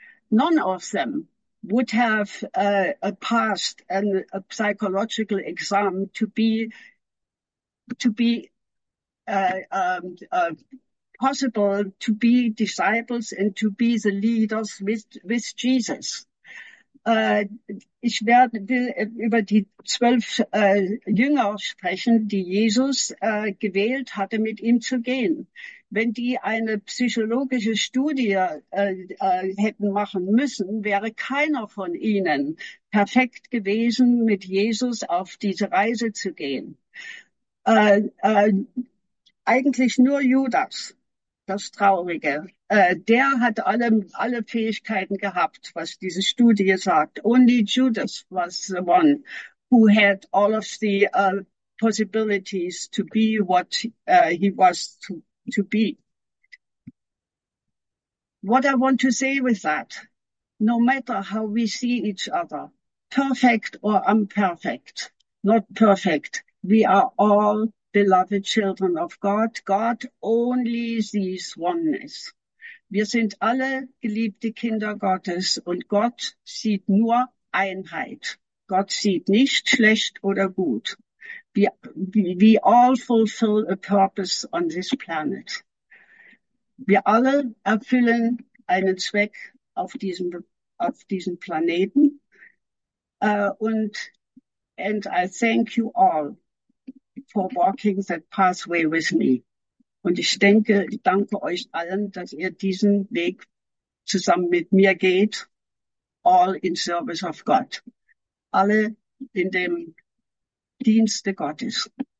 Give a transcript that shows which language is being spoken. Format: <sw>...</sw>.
<en>None of them would have passed a psychological exam to be possible to be disciples and to be the leaders with Jesus.</en> <de>Ich werde über die 12 Jünger sprechen, die Jesus gewählt hatte, mit ihm zu gehen. Wenn die eine psychologische Studie hätten machen müssen, wäre keiner von ihnen perfekt gewesen, mit Jesus auf diese Reise zu gehen. Eigentlich nur Judas, das Traurige. Der hat alle Fähigkeiten gehabt, was diese Studie sagt.</de> <en>Only Judas was the one who had all of the possibilities to be what he was to be. What I want to say with that, no matter how we see each other, perfect or imperfect, not perfect, we are all beloved children of God. God only sees oneness.</en> <de>Wir sind alle geliebte Kinder Gottes und Gott sieht nur Einheit. Gott sieht nicht schlecht oder gut.</de> <en>We all fulfill a purpose on this planet.</en> <de>Wir alle erfüllen einen Zweck auf diesem Planeten.</de> <en>And I thank you all for walking that pathway with me.</en> <de>Und ich danke euch allen, dass ihr diesen Weg zusammen mit mir geht,</de> <en>all in service of God.</en> <de>Alle in dem Dienste Gottes.</de>